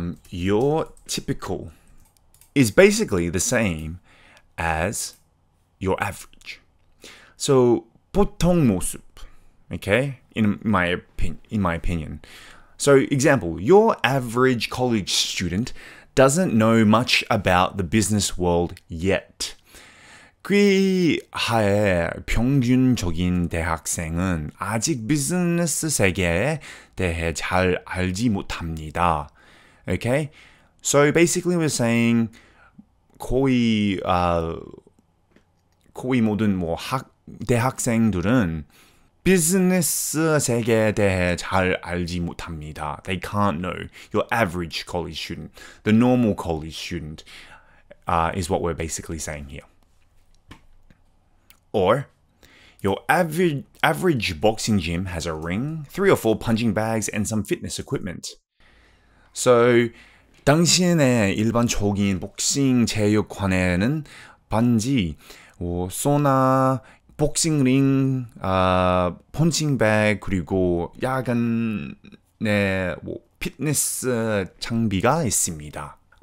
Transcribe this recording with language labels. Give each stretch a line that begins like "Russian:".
English: Your typical is basically the same as your average. So,
Korean: 보통 모습,
English: okay, in my opinion. So, example, your average college student doesn't know much about the business world yet.
Korean: 귀하의 평균적인 대학생은 아직 비즈니스 세계에 대해 잘 알지 못합니다.
English: Okay, so basically we're saying
Korean: 거의 모든 뭐 학 대학생들은 비즈니스 세계에 대해 잘 알지 못합니다.
English: They can't know. Your average college student, the normal college student, is what we're basically saying here. Or, your average boxing gym has a ring, 3 or 4 punching bags, and some fitness equipment. So,
Korean: 당신의 일반적인 복싱 체육관에는 반지, 뭐, 소나 복싱 링, 펀칭 백, 그리고 야근의 뭐, 피트니스 장비가 있습니다.